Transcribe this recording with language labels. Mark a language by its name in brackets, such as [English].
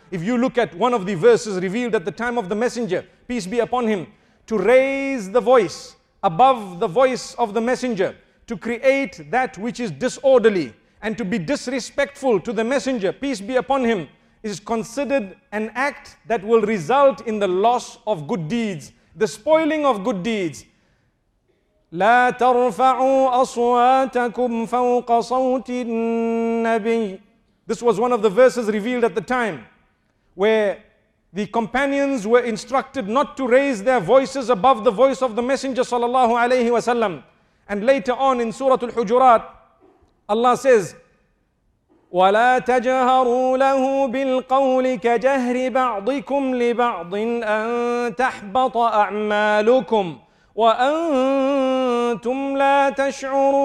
[English] If you look at one of the verses revealed at the time of the Messenger, peace be upon him, to raise the voice above the voice of the Messenger, to create that which is disorderly and to be disrespectful to the Messenger, peace be upon him, is considered an act that will result in the loss of good deeds, the spoiling of good deeds. [Arabic] لا ترفعوا أصواتكم فوق صوت النبي. [English] This was one of the verses revealed at the time where the companions were instructed not to raise their voices above the voice of the Messenger sallallahu alayhi wasallam. And later on in Surah Al-Hujurat, Allah says, [Arabic] وَلَا تَجَهَرُوا لَهُ بِالْقَوْلِ كَجَهْرِ بَعْضِكُمْ لِبَعْضٍ أَن تَحْبَطَ أَعْمَالُكُمْ وَأَنْتُمْ لَا تَشْعُرُونَ.